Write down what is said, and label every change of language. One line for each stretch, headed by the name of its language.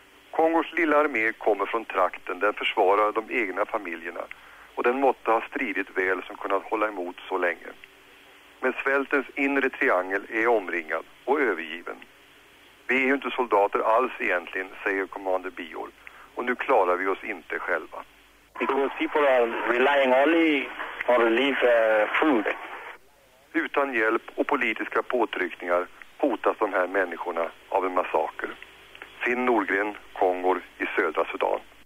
Swedish: Kongos lilla armé kommer från trakten. Den försvarar de egna familjerna. Och den måtte ha stridit väl som kunnat hålla emot så länge. Men svältens inre triangel är omringad och övergiven. Vi är ju inte soldater alls egentligen, säger Commander Bior. Och nu klarar vi oss inte själva.
English: Because people are relying only on relief food.
Swedish: Utan hjälp och politiska påtryckningar hotas de här människorna av en massaker. Finn Nordgren, Kongor i södra Sudan.